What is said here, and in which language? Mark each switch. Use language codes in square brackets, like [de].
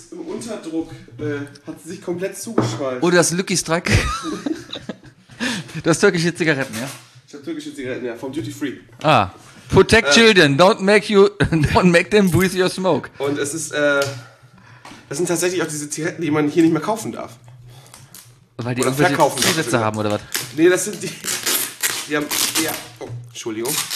[de] Unterdruck hat sich komplett zugeschweißt. Oder das Lucky Strike. Das türkische Zigaretten, ja. Ich habe türkische Zigaretten, ja, vom Duty Free. [en] Ah, protect children, don't make them breathe your smoke. [de] Und es ist, das sind tatsächlich auch diese Zigaretten, die man hier nicht mehr kaufen darf. Weil die irgendwelche Zusätze haben, oder was? Nee, das sind die haben, ja, Entschuldigung.